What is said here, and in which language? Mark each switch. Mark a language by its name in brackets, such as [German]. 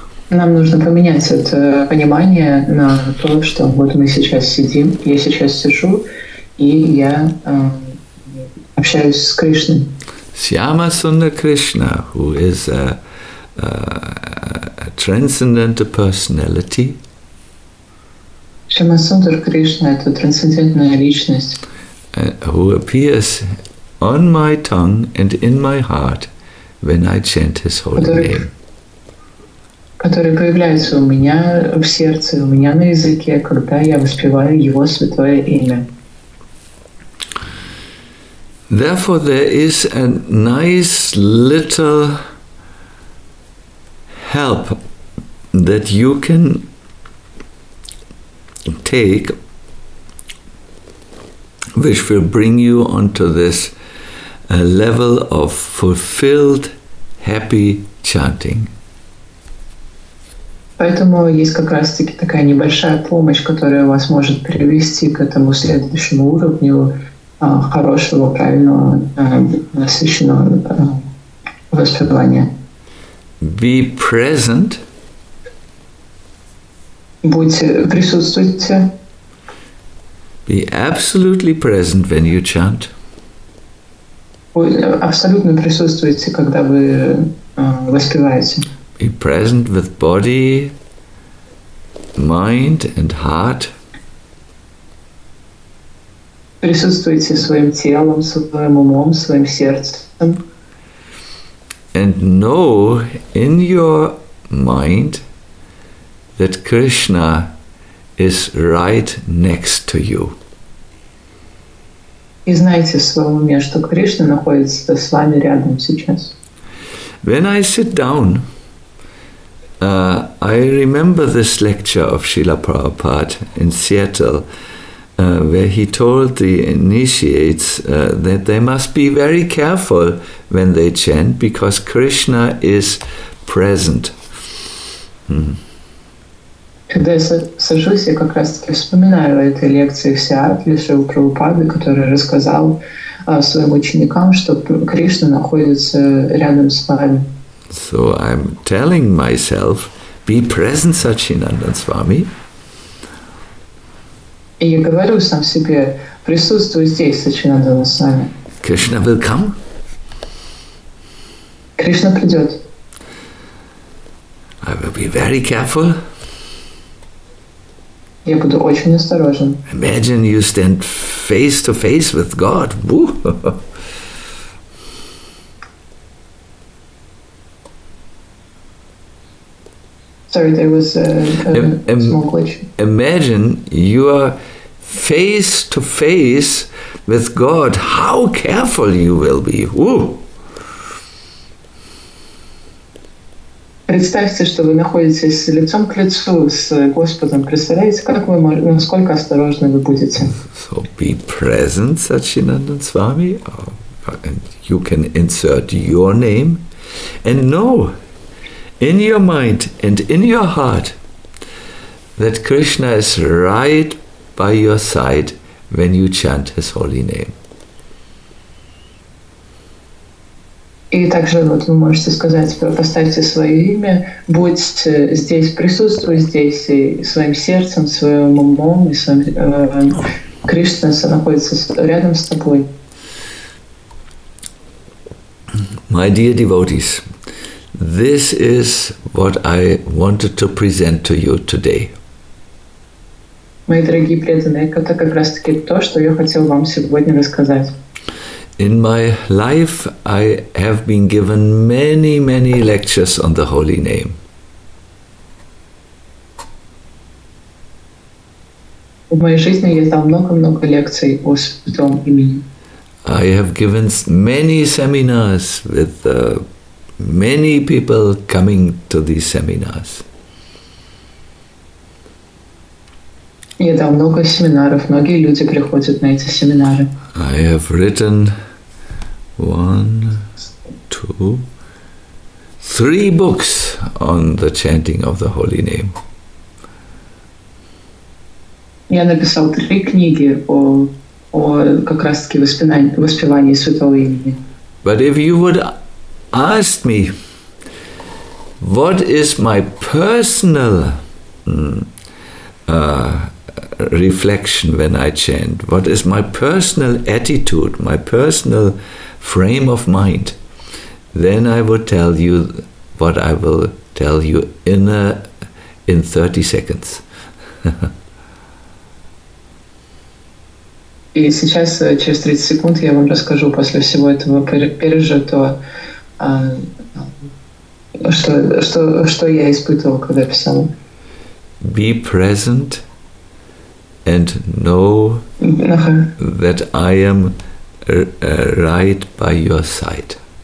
[Russian] Нам нужно поменять это понимание на то, что вот мы сейчас сидим, я сейчас сижу, и я общаюсь с Кришной. [English] Syama Sunda Krishna, who is a transcendental personality. [Russian] Syama Sunda Krishna – это трансцендентная личность. [English] Who appears on my tongue and in my heart when I chant His holy name. [Russian] Который появляется у меня в сердце, у меня на языке, когда я воспеваю Его святое имя. [English] Therefore, there is a nice little help that you can take, which will bring you onto this level of fulfilled, happy chanting. [Russian] Поэтому есть как раз-таки такая небольшая помощь, которая вас может привести к этому следующему уровню хорошего, правильного, насыщенного воспевания. [English] Be present. [Russian] Будьте, присутствуйте. [English] Be absolutely present when you chant. [Russian] Абсолютно присутствуйте, когда вы воспеваете. [English] Be present with body, mind and heart. [Russian] Присутствуйте своим телом, своим умом, своим сердцем. [English] And know in your mind that Krishna is right next to you. [Russian] И знайте в своем уме, что Кришна находится с вами рядом сейчас. [English] When I sit down, I remember this lecture of Srila Prabhupada in Seattle, where he told the initiates that they must be very careful when they chant because Krishna is present. [Russian] Когда я сажусь, я как раз-таки вспоминаю эти лекции в Сиатле Шрилы Прабхупады, который рассказал своим ученикам, что Кришна находится рядом с вами. [English] So I'm telling myself, be present, Sachinandan Swami. [Russian] И я говорю сам себе, присутствуй здесь, Сачинандан Свами. [English] Krishna will come. [Russian] Кришна придет. [English] I will be very careful. [Russian] Я буду очень осторожен. [English] Imagine you stand face to face with God. Woo! Sorry, there was a small glitch. Imagine you are face to face with God, how careful you will be. Ooh. [Russian] Представьте, что вы находитесь лицом к лицу с Господом. Представляете, как вы, насколько осторожны вы будете? [English] So be present, Satchinandan Swami, and you can insert your name, and know in your mind and in your heart that Krishna is right by your side when you chant his holy name. [Russian] И также вот вы можете сказать, поставьте свое имя, будьте здесь, присутствуй здесь, и своим сердцем, своим умом, и своим, Кришна находится рядом с тобой. [English] My dear devotees, this is what I wanted to present to you today. [Russian] Мои дорогие преданные, это как раз таки то, что я хотел вам сегодня рассказать. [English] In my life, I have been given many, many lectures on the Holy Name. [Russian] В моей жизни я дал много-много лекций о Святом имени. [English] I have given many seminars with many people coming to these seminars. [Russian] Я дал много семинаров, многие люди приходят на эти семинары. [English] I have written 1, 2, 3 books on the chanting of the Holy Name. [Russian] Я написал три книги о как раз таки воспевании Святого Имени. [English] But if you would ask me, what is my personal reflection when I chant? What is my personal attitude, my personal frame of mind? Then I would tell you what I will tell you in 30 seconds. [Russian] И сейчас, через 30 секунд, я вам расскажу после всего этого пережитого, что я испытывал, когда писал. [English] Be present and know that I am right by your side.